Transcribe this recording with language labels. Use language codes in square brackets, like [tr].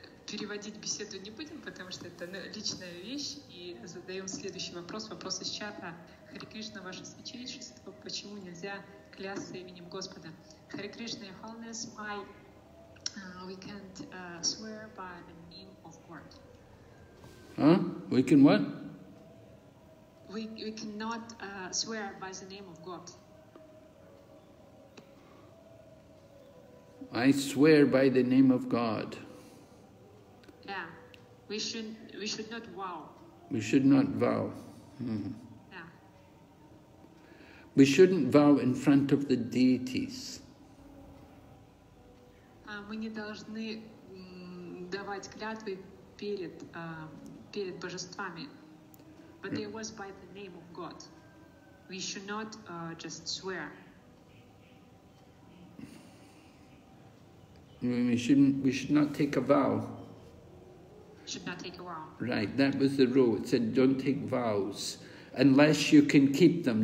[ru] Переводить беседу не будем, потому что это личная вещь, и задаем следующий вопрос из чата. Hare Krishna, ваше святейшество, почему нельзя клясться именем Господа? [en] Hare Krishna, your holiness, why we can't swear by the name of God? Huh? We can what? We cannot swear by the name of God. I swear by the name of God. Yeah. We should not vow. We should not vow. Yeah. We shouldn't vow in front of the deities. [ru] Мы не должны давать клятвы перед божествами. [en] But it was by the name of God. We should not just swear. We should not take a vow. Should not take a vow. Right, that was the rule. It said don't take vows unless you can keep them.